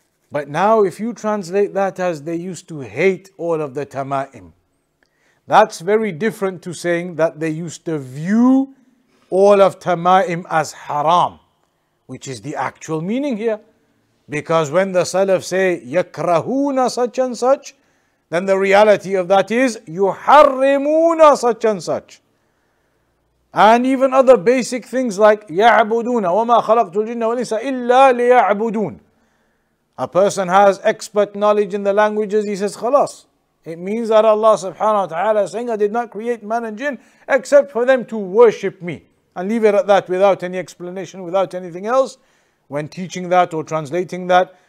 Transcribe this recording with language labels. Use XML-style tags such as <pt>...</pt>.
<en>But now if you translate that as they used to hate all of the tama'im, that's very different to saying that they used to view all of tama'im as haram, which is the actual meaning here. Because when the Salaf say يَكْرَهُونَ such and such, then the reality of that is يُحَرِّمُونَ such and such. And even other basic things like</en> <ar>يَعْبُدُونَ وَمَا خَلَقْتُ الْجِنَّ وَالْإِنسَ إِلَّا لِيَعْبُدُونَ.</ar> <en>A person has expert knowledge in the languages, he says, خلاص. It means that Allah subhanahu wa ta'ala is saying, I did not create man and jinn except for them to worship me. And leave it at that without any explanation, without anything else, when teaching that or translating that.</en>